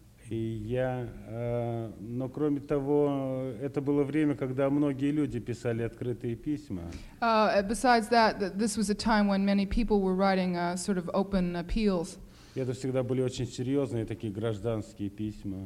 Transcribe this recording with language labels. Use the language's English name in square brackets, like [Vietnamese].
[Russian] И я, но кроме того, это было время, когда многие люди писали открытые письма. [English] Besides that, this was a time when many people were writing sort of open appeals. [Russian] Это всегда были очень серьезные такие гражданские письма.